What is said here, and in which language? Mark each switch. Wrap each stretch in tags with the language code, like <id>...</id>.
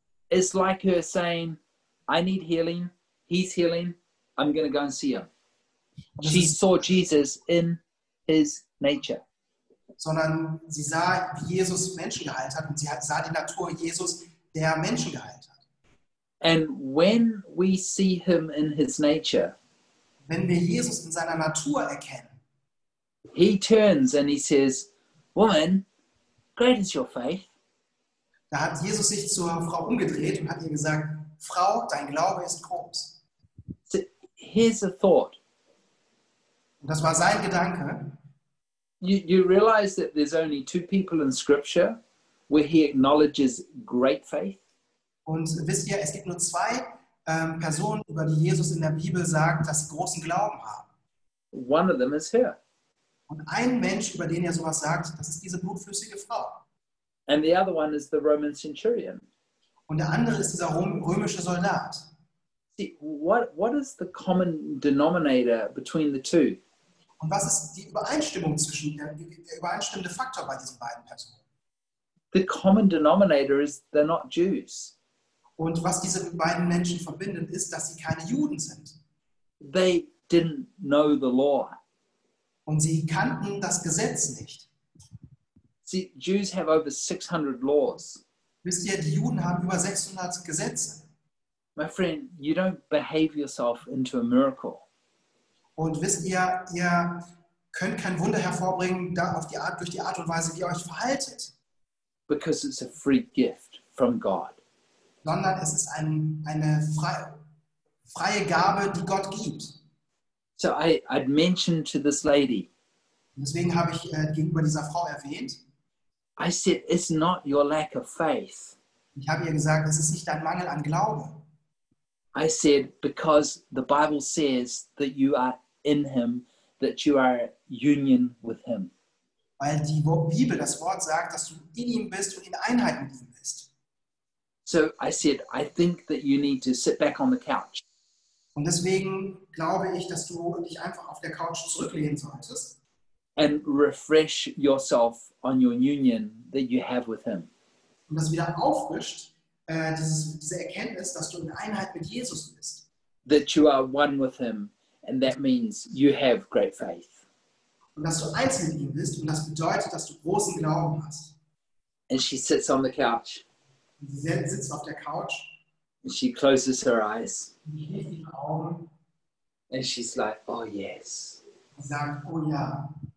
<en>It's like her saying, I need healing, he's healing, I'm going to go and see him. She saw Jesus in his nature.</en> <de>Sondern sie sah, wie Jesus Menschen geheilt hat und sie sah die Natur Jesus, der Menschen geheilt hat.</de> <en>And when we see him in his nature,</en> <de>wenn wir Jesus in seiner Natur erkennen,</de> <en>he turns and he says, Woman, great is your faith.</en> <de>Da hat Jesus sich zur Frau umgedreht und hat ihr gesagt, Frau, dein Glaube ist groß.</de> <en>So, here's a thought.</en> <de>Und das war sein Gedanke.</de> <en>You realize that there's only two people in Scripture where he acknowledges great faith.</en> <de>Und wisst ihr, es gibt nur zwei Personen, über die Jesus in der Bibel sagt, dass sie großen Glauben haben.</de> <en>One of them is her.</en> <de>Und ein Mensch, über den er sowas sagt, das ist diese blutflüssige Frau.</de> <en>And the other one is the Roman centurion.</en> <de>Und der andere ist dieser römische Soldat.</de> <en>See, what is the common denominator between the two?</en> <de>Und was ist die Übereinstimmung zwischen der übereinstimmende Faktor bei diesen beiden Personen?</de> <en>The common denominator is they're not Jews.</en> <de>Und was diese beiden Menschen verbindet, ist, dass sie keine Juden sind.</de> <en>They didn't know the law.</en> <de>Und sie kannten das Gesetz nicht.</de> <en>See, Jews have over 600 laws.</en> <de>Wisst ihr, die Juden haben über 600 Gesetze.</de> <en>My friend, you don't behave yourself into a miracle.</en> <de>Und wisst ihr, ihr könnt kein Wunder hervorbringen durch die Art und Weise, wie ihr euch verhaltet.</de> <en>Because it's a free gift from God.</en> <de>Sondern es ist eine freie Gabe, die Gott gibt.</de> <en>So I'd mentioned to this lady.</en> <de>Deswegen habe ich gegenüber dieser Frau erwähnt.</de> <en>I said, it's not your lack of faith.</en> <de>Ich habe ihr gesagt, es ist nicht dein Mangel an Glauben.</de> <en>I said, because the Bible says that you are in him, that you are union with him.</en> <de>Weil die Bibel das Wort sagt, dass du in ihm bist und in Einheit mit ihm bist.</de> <en>So I said, I think that you need to sit back on the couch.</en> <de>Und deswegen glaube ich, dass du dich einfach auf der Couch zurücklehnen solltest.</de> <en>And refresh yourself on your union that you have with him.</en> <de>Und das wieder auffrischt, diese Erkenntnis, dass du in Einheit mit Jesus bist.</de> <en>That you are one with him, and that means you have great faith.</en> <de>Und dass du eins mit ihm bist, und das bedeutet, dass du großen Glauben hast.</de> <en>And she sits on the couch.</en> <de>Sie sitzt auf der Couch.</de> <en>And she closes her eyes.</en> <de>Sie hebt die Augen.</de> <en>And she's like, oh yes.</en> <de>Sie sagt, oh ja.</de>